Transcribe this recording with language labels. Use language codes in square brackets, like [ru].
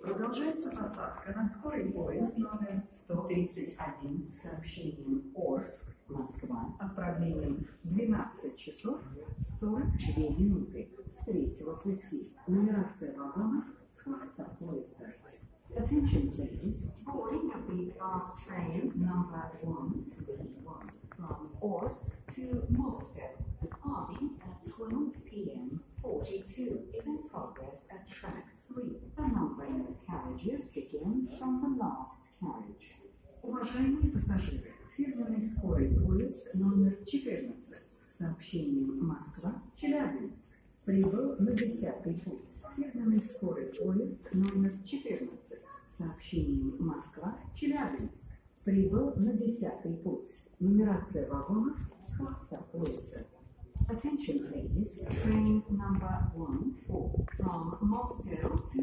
[ru] Продолжается посадка на Скорый поезд номер 131. Сообщение Орск, Москва. Отправление 12:42 с третьего пути. Нумерация вагонов с хвоста поезда. [en] Attention, please. Boarding of the fast train number 131 from Orsk to Moscow. Departing at 12 p.m. 42 is in progress at track 3. The numbering of carriages begins from the last carriage. [ru] Уважаемые пассажиры, фирменный скорый поезд номер 14 с сообщением Москва-Челябинск. Прибыл на 10-й путь. Фирменный скорый поезд номер 14 с сообщением Москва-Челябинск. Прибыл на 10-й путь. Нумерация вагонов с хвоста поезда. [en] Attention, ladies. Train number 14 from Moscow to...